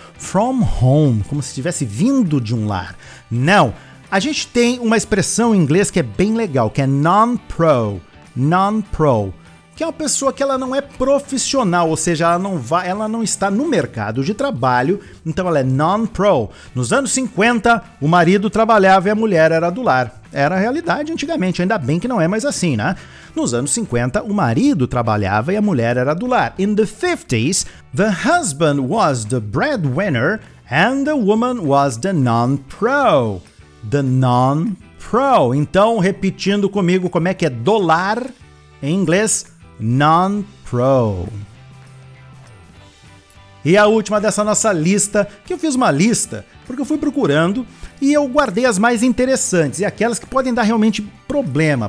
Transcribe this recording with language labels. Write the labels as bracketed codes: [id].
[pt] From home, como se estivesse vindo de um lar. Não, a gente tem uma expressão em inglês que é bem legal, que é non-pro, non-pro, que é uma pessoa que ela não é profissional, ou seja, ela não está no mercado de trabalho, então ela é non-pro. Nos anos 50, o marido trabalhava e a mulher era do lar. Era a realidade antigamente, ainda bem que não é mais assim, né? Nos anos 50, o marido trabalhava e a mulher era do lar. [en] In the 50s, the husband was the breadwinner and the woman was the non-pro. The non-pro. [pt] Então, repetindo comigo como é que é do lar em inglês, non-pro. E a última dessa nossa lista, que eu fiz uma lista porque eu fui procurando e eu guardei as mais interessantes e aquelas que podem dar realmente problema.